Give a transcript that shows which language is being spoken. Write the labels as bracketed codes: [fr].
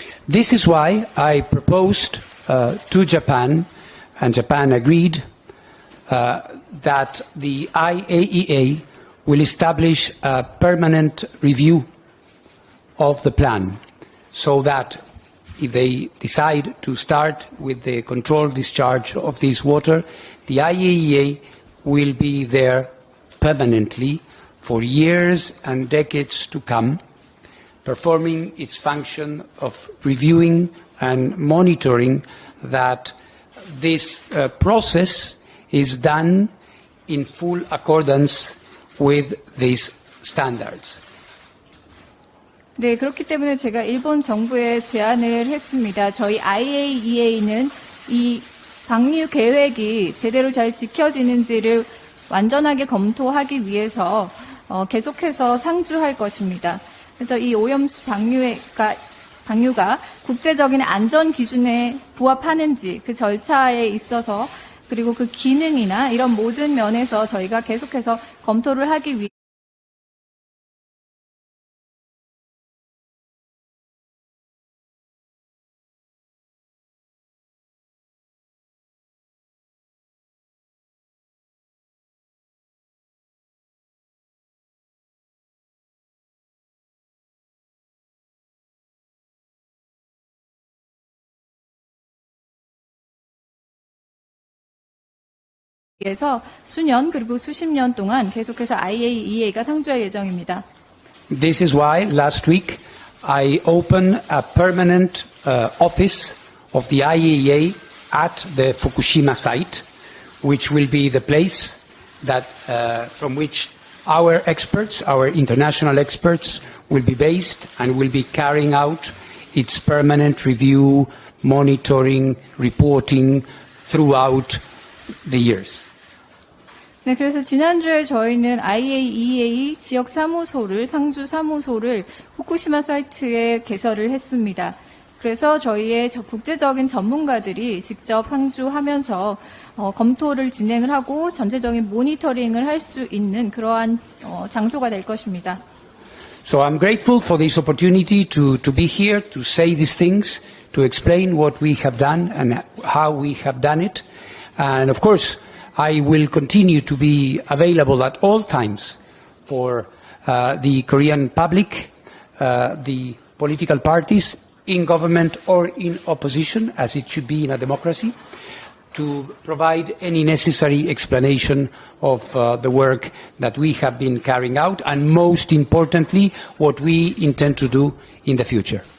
[en] This is why I proposed to Japan, and Japan agreed that the IAEA will establish a permanent review of the plan so that if they decide to start with the controlled discharge of this water, the IAEA will be there permanently for years and decades to come, performing its function of reviewing and monitoring that this process is done in full accordance with these standards. [ko] 네, 그렇기 때문에 제가 일본 정부에 제안을 했습니다. 저희 IAEA는 이 방류 계획이 제대로 잘 지켜지는지를 완전하게 검토하기 위해서 계속해서 상주할 것입니다. 그래서 이 오염수 방류가 국제적인 안전 기준에 부합하는지 그 절차에 있어서 그리고 그 기능이나 이런 모든 면에서 저희가 계속해서 검토를 하기 위해 에서 수년 그리고 수십 년 동안 계속해서 IAEA가 상주할 예정입니다. [en] This is why last week I opened a permanent office of the IAEA at the Fukushima site, which will be the place that from which our experts, our international experts, will be based and will be carrying out its permanent review, monitoring, reporting throughout the years. [ko] 네, 그래서 지난주에 저희는 IAEA 지역 사무소를, 상주 사무소를 후쿠시마 사이트에 개설을 했습니다. 그래서 저희의 국제적인 전문가들이 직접 상주하면서 검토를 진행을 하고 전체적인 모니터링을 할 수 있는 그러한 장소가 될 것입니다. [en] So I'm grateful for this opportunity to be here to say these things, to explain what we have done and how we have done it. And of course, I will continue to be available at all times for the Korean public, the political parties, in government or in opposition, as it should be in a democracy, to provide any necessary explanation of the work that we have been carrying out, and most importantly, what we intend to do in the future.